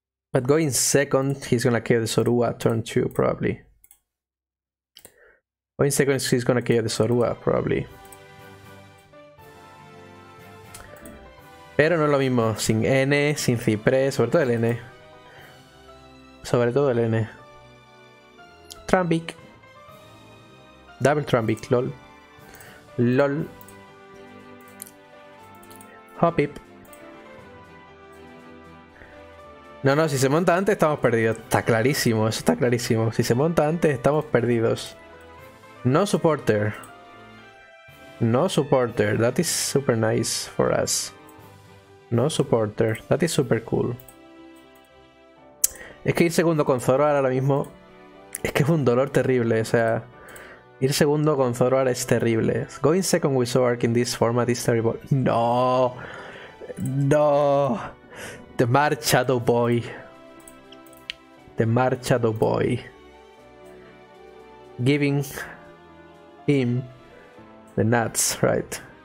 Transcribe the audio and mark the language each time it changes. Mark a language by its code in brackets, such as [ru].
[en] But going second, he's gonna KO the Sorua turn 2 probably. Going second, he's gonna KO the Sorua probably. [es] Pero no es lo mismo sin N, sin Cypress, sobre todo el N. Sobre todo el N. [en] Trambic. Double Trambic, lol. Lol. Hoppip. [es] No, no, si se monta antes estamos perdidos. Está clarísimo, eso está clarísimo. Si se monta antes estamos perdidos. [en] No supporter. No supporter. That is super nice for us. No supporter. That is super cool. [es] Es que ir segundo con Zoroark ahora mismo es que es un dolor terrible, o sea, ir segundo con Zoroark es terrible. [en] Going second with Zoroark in this format is terrible. No. No. The Marchado boy. The Marchado boy. Giving him the nuts, right?